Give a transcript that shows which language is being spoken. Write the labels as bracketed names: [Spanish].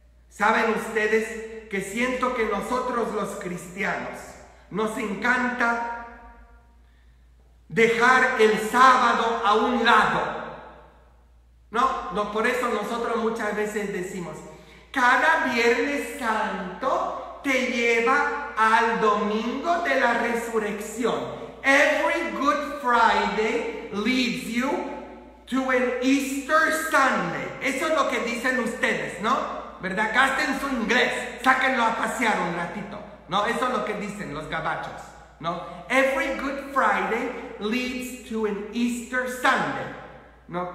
[Spanish] ¿Saben ustedes que siento que nosotros los cristianos nos encanta dejar el sábado a un lado? ¿No? No, por eso nosotros muchas veces decimos, cada Viernes Santo te lleva al Domingo de la Resurrección. [English] Every Good Friday leads you to an Easter Sunday. [Spanish] Eso es lo que dicen ustedes, ¿no? ¿Verdad? Gasten su inglés, sáquenlo a pasear un ratito, ¿no? Eso es lo que dicen los gabachos, ¿no? [English] Every Good Friday leads to an Easter Sunday, [Spanish] ¿no?